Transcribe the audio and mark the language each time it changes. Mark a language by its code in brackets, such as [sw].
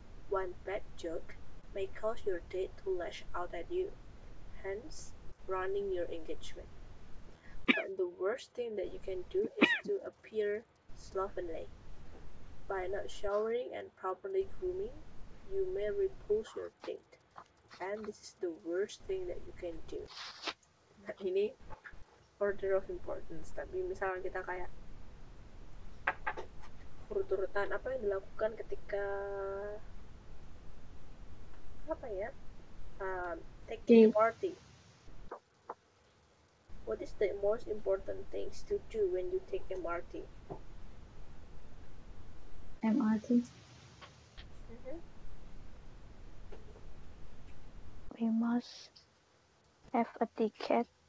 [en] One bad joke may cause your date to lash out at you, hence ruining your engagement. But the worst thing that you can do is to appear slovenly. By not showering and properly grooming, you may repulse your date. And this is the worst thing that you can do. [id] Nah, ini [en] order of importance. [id] Tapi misalnya kita kayak urut-urutan apa yang dilakukan ketika apa ya? [en] Taking party. What is the most important things to do when you take MRT? MRT? We must have a ticket.